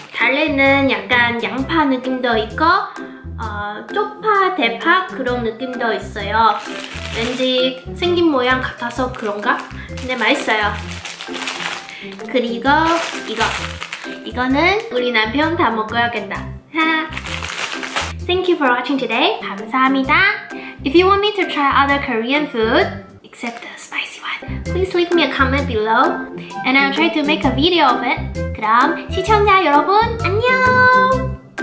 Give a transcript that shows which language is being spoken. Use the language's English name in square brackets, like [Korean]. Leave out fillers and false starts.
[Korean] 달래는 약간 양파 느낌도 있고 쪽파, 대파 그런 느낌도 있어요. 왠지 생긴 모양 같아서 그런가? 근데 맛있어요. 그리고 이거. 이거는 우리 남편 다 먹어야겠다. [English] Thank you for watching today. [Korean] 감사합니다. [English] If you want me to try other Korean food, except the spicy one, please leave me a comment below. And I'll try to make a video of it. [Korean] 그럼 시청자 여러분, 안녕!